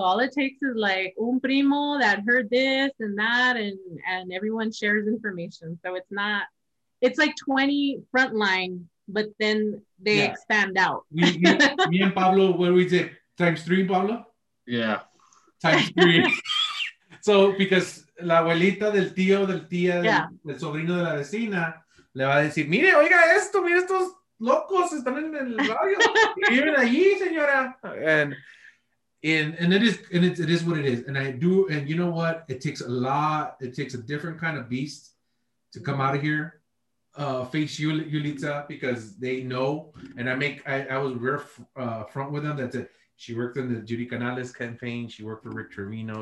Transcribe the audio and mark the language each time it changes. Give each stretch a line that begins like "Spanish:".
English: All it takes is like
Spanish: un primo
English: that heard this and that, and everyone shares information. So it's not, it's like 20 frontline, but then they expand out. Me and Pablo, what do we say? Times three, Pablo? Yeah. Times three.
Spanish: So because la abuelita del tío, del tía, del sobrino de la vecina, le va a decir, mire, oiga esto, mire estos locos están en el radio. Viven allí, señora.
English: And it is what it is. And I do, and you know what? It takes a lot, it takes a different kind of beast to come out of here. Face you, Yulita, because they know. And I was front with them. That's it. She worked in the Judy Canales campaign. She worked for Rick Trevino.